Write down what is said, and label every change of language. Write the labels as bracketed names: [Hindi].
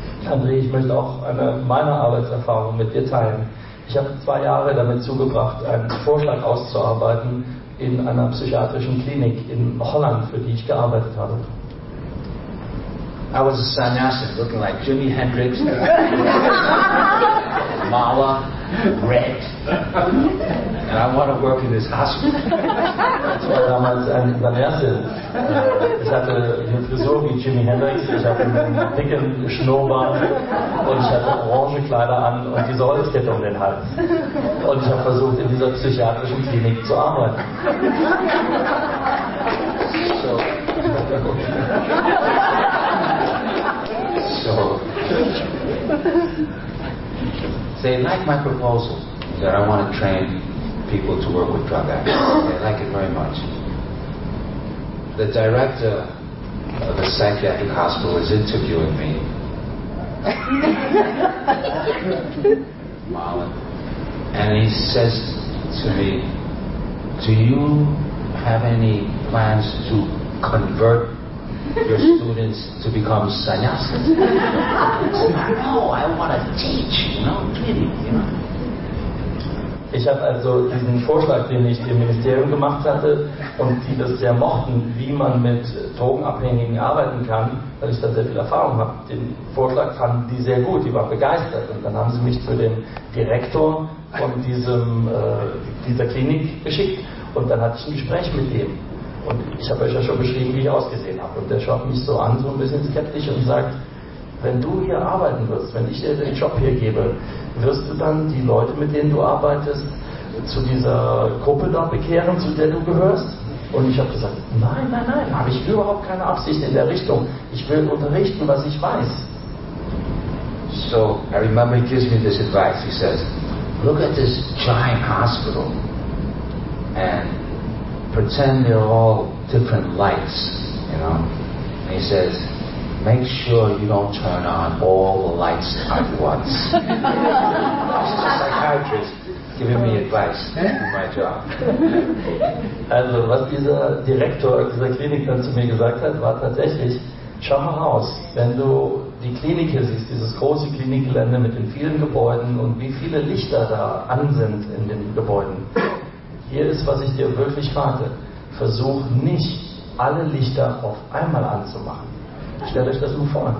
[German] André, ich möchte auch eine meiner Arbeitserfahrungen mit dir teilen. Ich habe 2 Jahre damit zugebracht, einen Vorschlag auszuarbeiten in einer psychiatrischen Klinik in Holland, für die ich gearbeitet habe. [English] I was a sannyasin, looking like Jimi Hendrix, Mala, Red, and I want to work in this hospital. [German] Ich war damals ein sannyasin. Ich hatte eine Frisur wie Jimi Hendrix, ich hatte einen dicken Schnurrbart und ich hatte orange Kleider an und diese Holzkette um den Hals. Und ich habe versucht, in dieser psychiatrischen Klinik zu arbeiten. [English] So, they like my proposal that I want to train people to work with drug addicts. They like it very much. The director of the psychiatric hospital is interviewing me. And he says to me, "Do you have any plans to convert your students to become sannyasins?" "No, I want to teach, you know, really, you know." [German] Ich habe also diesen Vorschlag, den ich dem Ministerium gemacht hatte und die das sehr mochten, wie man mit Drogenabhängigen arbeiten kann, weil ich da sehr viel Erfahrung habe. Den Vorschlag fanden die sehr gut, die waren begeistert. Und dann haben sie mich für den Direktor von dieser Klinik geschickt und dann hatte ich ein Gespräch mit dem. Und ich habe euch ja schon beschrieben, wie ich ausgesehen habe. Und der schaut mich so an, so ein bisschen skeptisch und sagt, wenn du hier arbeiten wirst, wenn ich dir den Job hier gebe, wirst du dann die Leute, mit denen du arbeitest, zu dieser Gruppe da bekehren, zu der du gehörst? Und ich habe gesagt, nein, nein, nein, habe ich überhaupt keine Absicht in der Richtung. Ich will unterrichten, was ich weiß. [English] So, I remember he gives me this advice. He says, look at this giant hospital and pretend they're all different lights, you know. And he says, make sure you don't turn on all the lights at once. This is a psychiatrist giving me advice for my job. [German] Also, was dieser Direktor dieser Klinik dann zu mir gesagt hat, war tatsächlich, schau mal raus, wenn du die Klinik hier siehst, dieses große Klinikgelände mit den vielen Gebäuden und wie viele Lichter da an sind in den Gebäuden. Hier ist, was ich dir wirklich rate. Versuch nicht, alle Lichter auf einmal anzumachen. Stellt euch das nur vor.